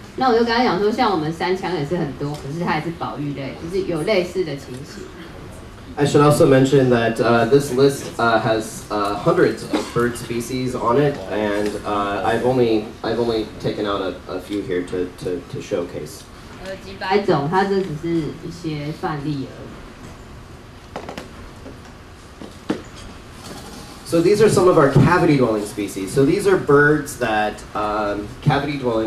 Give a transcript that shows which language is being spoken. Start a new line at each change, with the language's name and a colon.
Chinese: 那我就跟他讲说，像我们山羌也是很多，可是它也是保育类，就是有类似的情形。
English: I should also mention that this list has hundreds of bird species on it, and I've only taken out a few here to showcase.
Chinese: 几百种，它这只是一些范例而已。
English: So these are some of our cavity-dwelling species. So these are birds that cavity-dwelling.